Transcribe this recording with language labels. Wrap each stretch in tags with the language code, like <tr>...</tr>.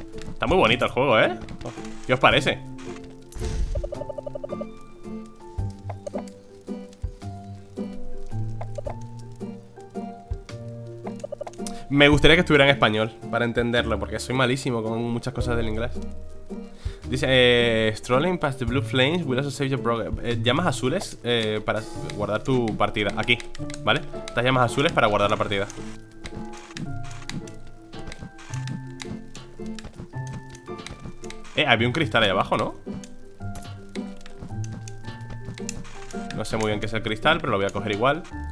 <es>Está muy bonito el juego, ¿eh? ¿Qué os parece? Me gustaría que estuviera en español para entenderlo, porque soy malísimo con muchas cosas del inglés. Dice,</es> <en>strolling past the blue flames will also save your progress.</en> <es>Llamas azules para guardar tu partida. Aquí, ¿vale? Estas llamas azules para guardar la partida. Había un cristal ahí abajo, ¿no? No sé muy bien qué es el cristal, pero lo voy a coger igual.</es>